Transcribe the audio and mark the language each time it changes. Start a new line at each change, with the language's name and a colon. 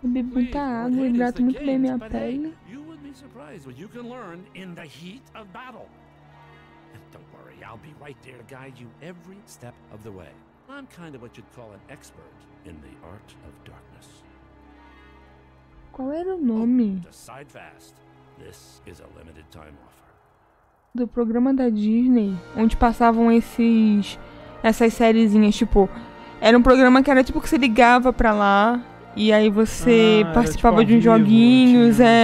Portuguese: Bebi muita água, hidrato muito bem minha pele.
English: Hey, you would be surprised what you can learn in the heat of battle. And don't worry, I'll be right there to guide you every step of the way. I'm kind of what you'd call an expert in the art of darkness.
Portuguese: Qual era o nome do programa da Disney, onde passavam essas sériezinhas, tipo, era um programa que era tipo que você ligava pra lá, e aí você participava de uns joguinhos,